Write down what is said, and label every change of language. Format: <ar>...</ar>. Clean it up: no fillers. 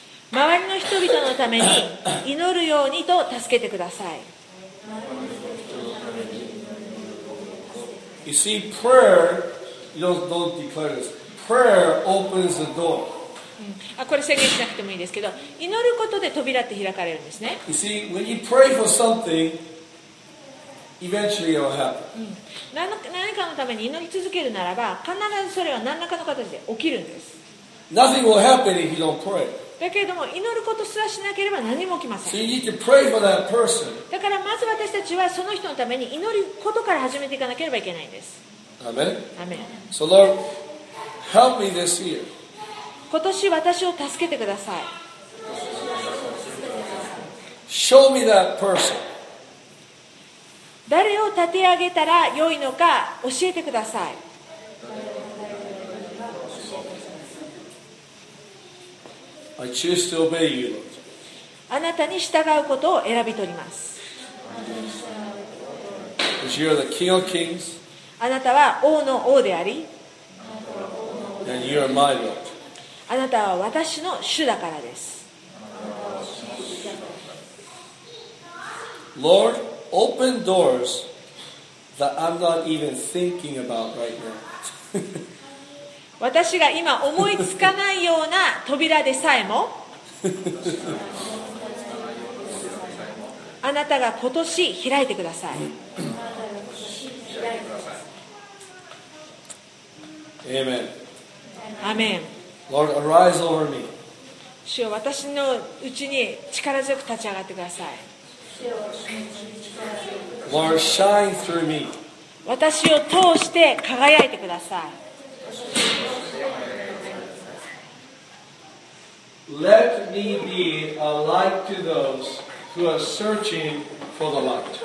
<ja>周りの人々のために祈るようにと助けてください。</ja> <en>You see, prayer, don't declare this. Prayer opens the door.</en> <ja>これ宣言しなくてもいいですけど、祈ることで扉って開かれるんですね。</ja> <en>You see, when you pray for something, eventually it will happen.</en> <ja>何かのために祈り続けるならば、必ずそれは何らかの形で起きるんです。</ja> <en>Nothing will happen if you don't pray.</en> <ja>だけれども祈ることすらしなければ何も起きません。</ja> <en>So you need to pray for that person.</en> <ja>だからまず私たちはその人のために祈ることから始めていかなければいけないんです。</ja> <en>Amen. Amen. So Lord, help me this year.</en> <ja>今年私を助けてください。</ja> <en>Show me that person.</en> <ja>誰を立て上げたら良いのか教えてください。</ja> <en>I choose to obey you.</en> <ja>あなたに従うことを選び取ります。</ja> <en>Because you are the King of Kings.</en> <ja>あなたは王の王であり、</ja> <en>And you are my Lord.</en> <ja>あなたは私の主だからです。</ja> <en>Lord, open doors that I'm not even thinking about right now.</en> <ja>私が今思いつかないような扉でさえもあなたが今年開いてください。アーメン。アーメン。</ja> <en>Lord, arise over me.</en> <ja>主よ、私のうちに力強く立ち上がってください。</ja> <en>Lord, shine through me.</en> <ja>私を通して輝いてください。</ja> <en>Let me be a light to those who are searching for the light.</en>